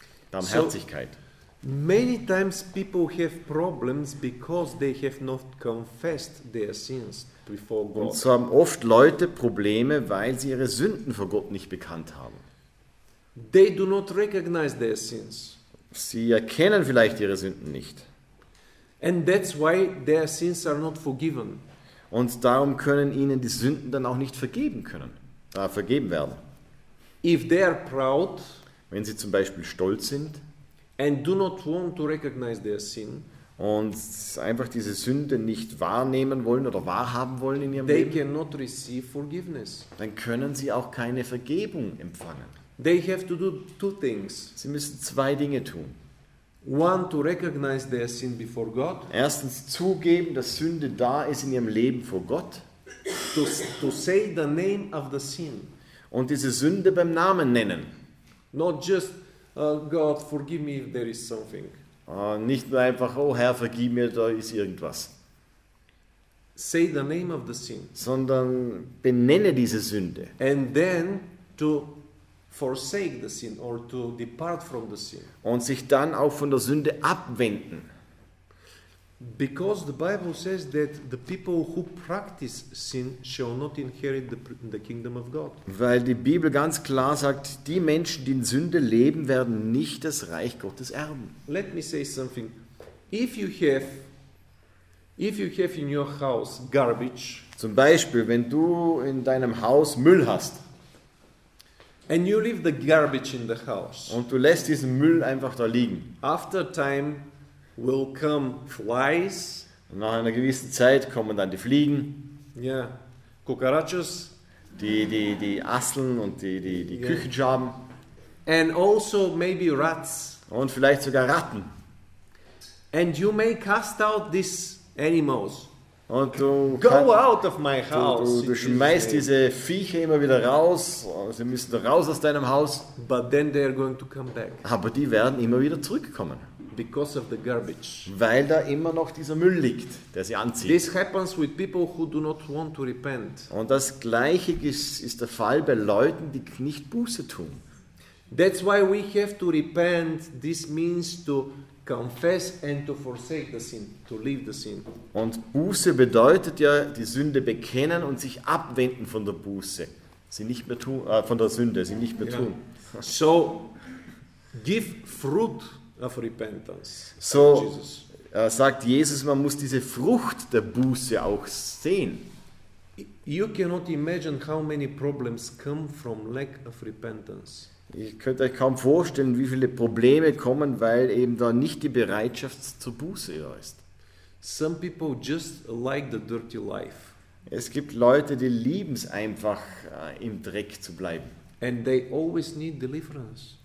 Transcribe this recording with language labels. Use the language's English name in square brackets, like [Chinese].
[German] Barmherzigkeit. So, [English] many times people have problems because they have not confessed their sins before God. [German] Und so haben oft Leute Probleme, weil sie ihre Sünden vor Gott nicht bekannt haben. [English] They do not recognize their sins. [German] Sie erkennen vielleicht ihre Sünden nicht. [English] And that's why their sins are not forgiven. [German] Und darum können ihnen die Sünden dann auch nicht vergeben werden. [English] If they are proud, [German] wenn sie zum Beispiel stolz sind [English] and do not want to recognize their sin, [German] und einfach diese Sünde nicht wahrnehmen wollen oder wahrhaben wollen in ihrem [English] they [German] Leben, [English] cannot receive forgiveness. [German] Dann können sie auch keine Vergebung empfangen. [English] They have to do two things. [German] Sie müssen zwei Dinge tun. [English] One, to recognize their sin before God. [German] Erstens zugeben, dass Sünde da ist in ihrem Leben vor Gott. [English] To say the name of the sin. [German] Und diese Sünde beim Namen nennen. [English] Not just, God, forgive me if there is something. [German] Nicht nur einfach, oh Herr, vergib mir, da ist irgendwas. [English] Say the name of the sin. [German] Sondern benenne diese Sünde. [English] And then to forsake the sin or to depart from the sin. [German] Und sich dann auch von der Sünde abwenden. [English] Because the Bible says that the people who practice sin shall not inherit the kingdom of God. [German] Weil die Bibel ganz klar sagt, die Menschen, die in Sünde leben, werden nicht das Reich Gottes erben. [English] Let me say something. If you have in your house garbage, [German] zum Beispiel, wenn du in deinem Haus Müll hast, [English] and you leave the garbage in the house. [German] Und du lässt diesen Müll einfach da liegen. [English] After time will come flies. [German] Und nach einer gewissen Zeit kommen dann die Fliegen. [English] Ja. Yeah. Cucarachos, [German] die Asseln und die yeah. Küchenschaben. [English] And also maybe rats. [German] Und vielleicht sogar Ratten. [English] And you may cast out these animals. [German] Und du, [English] go out of my house, [German] du schmeißt diese Viecher immer wieder raus. Sie müssen raus aus deinem Haus. [English] But then they are going to come back. [German] Aber die werden immer wieder zurückkommen. [English] Because of the garbage. [German] Weil da immer noch dieser Müll liegt, der sie anzieht. [English] This happens with people who do not want to repent. [German] Und das Gleiche ist der Fall bei Leuten, die nicht Buße tun. [English] That's why we have to repent. This means to confess and to forsake the sin, to leave the sin. [German] Und Buße bedeutet ja, die Sünde bekennen und sich abwenden von der Buße, sie nicht mehr tun, von der Sünde, sie nicht mehr yeah. tun. [English] So, give fruit of repentance. So, Jesus. [German] Sagt Jesus, man muss diese Frucht der Buße auch sehen. [English] You cannot imagine how many problems come from lack of repentance. [German] Ich könnte euch kaum vorstellen, wie viele Probleme kommen, weil eben da nicht die Bereitschaft zur Buße da ist. [English] Some people just like the dirty life. [German] Es gibt Leute, die lieben es einfach, im Dreck zu bleiben. [English] And they always need deliverance.